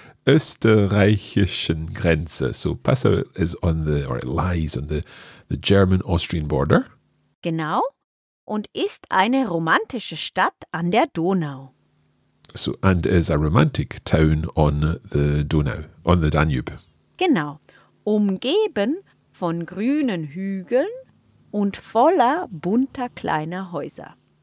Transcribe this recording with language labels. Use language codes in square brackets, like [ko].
[de] Österreichischen Grenze. [en] So Passau is on the, or it lies on the German-Austrian border. [de] Genau. Und ist eine romantische Stadt an der Donau. [en] So, and is a romantic town on the Donau, on the Danube. [de] Genau. Umgeben von grünen Hügeln und voller bunter kleiner Häuser.